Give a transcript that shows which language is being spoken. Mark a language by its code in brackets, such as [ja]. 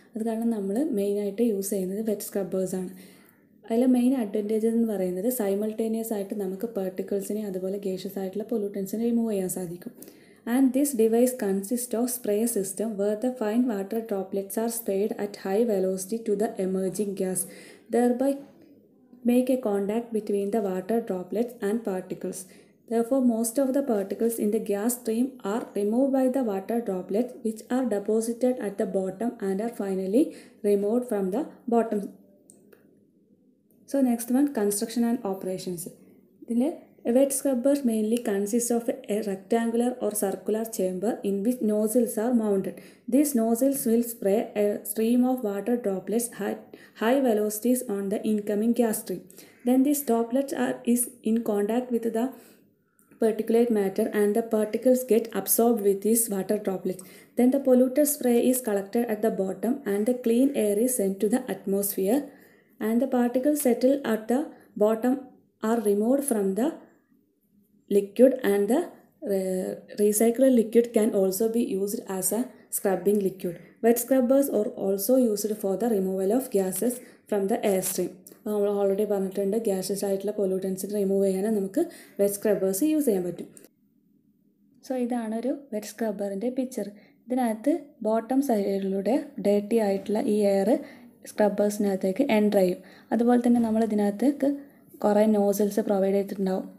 [ml] അത് കാരണം നമ്മൾ മെയിനായിട്ട് യൂസ് ചെയ്യുന്നത് വെറ്റ് സ്ക്രബേഴ്സാണ്. അതിലെ മെയിൻ അഡ്വൻറ്റേജസ് എന്ന് പറയുന്നത് സൈമൾട്ടേനിയസ് ആയിട്ട് നമുക്ക് പെർട്ടിക്കിൾസിനെ അതുപോലെ ഗ്യാഷസ് ആയിട്ടുള്ള പൊല്യൂട്ടൻസിനെ റിമൂവ് ചെയ്യാൻ സാധിക്കും. [en] And this device consist of spray system where the fine water droplets are sprayed at high velocity to the emerging gas, thereby make a contact between the water droplets and particles. Therefore, most of the particles in the gas stream are removed by the water droplets, which are deposited at the bottom and are finally removed from the bottom. So, next one, construction and operations. Wet scrubbers mainly consist of a rectangular or circular chamber in which nozzles are mounted. These nozzles will spray a stream of water droplets at high velocities on the incoming gas stream. Then these droplets is in contact with the particulate matter and the particles get absorbed with these water droplets. Then the polluted spray is collected at the bottom and the clean air is sent to the atmosphere and the particles settle at the bottom are removed from the liquid and the recycled liquid can also be used as a scrubbing liquid. Wet scrubbers are also used for the removal of gases from the airstream. [ml] നമ്മൾ already പറഞ്ഞിട്ടുണ്ട് gaseous ആയിട്ടുള്ള പൊല്യൂട്ടൻസിനെ remove ചെയ്യാനും നമുക്ക് wet സ്ക്രബേഴ്സ് use ചെയ്യാൻ പറ്റും. So ഇതാണ് ഒരു wet സ്ക്രബ്ബറിൻ്റെ picture. ഇതിനകത്ത് ബോട്ടം സൈഡിലൂടെ ഡേർട്ടി ആയിട്ടുള്ള ഈ എയർ സ്ക്രബേഴ്സിനകത്തേക്ക് എൻ്റർ ചെയ്യും. അതുപോലെ തന്നെ നമ്മൾ ഇതിനകത്തേക്ക് കുറേ നോസൽസ് പ്രൊവൈഡ് ചെയ്തിട്ടുണ്ടാവും.